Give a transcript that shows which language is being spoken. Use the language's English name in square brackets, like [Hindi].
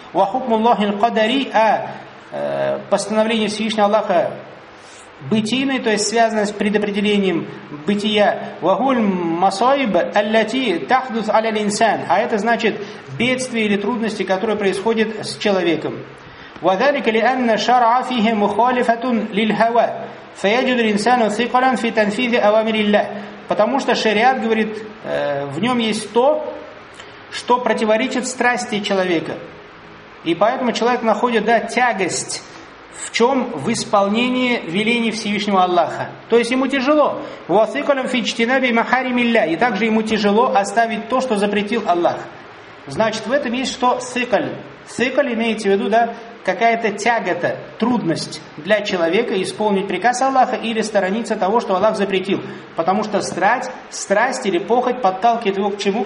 [Arabic] «Вахукмуллахи л-кадари», [Russian] а постановление Всевышнего Аллаха бытийное, то есть связанное с предопределением бытия. [Arabic] «Вахуль масоиб аллати тахдус аля-линсан». [Russian] А это значит бедствия или трудности, которые происходят с человеком. [Arabic] وذلك لأن شرع فيه مخالفة للهوى فيجد الإنسان ثقلا في تنفيذ أوامر الله. [Russian] Потому что шариат, говорит, в нем есть то, что противоречит страсти человека, и поэтому человек находит, да, тягость в чем? В исполнении велений Всевышнего Аллаха. То есть ему тяжело. [Arabic] وثقلا في اجتناب محارم الله. [Russian] И также ему тяжело оставить то, что запретил Аллах. Значит, в этом есть что? ثقل. ثقل имеется в виду, да, какая-то тягота, трудность для человека исполнить приказ Аллаха или сторониться того, что Аллах запретил. Потому что страсть или похоть подталкивает его к чему?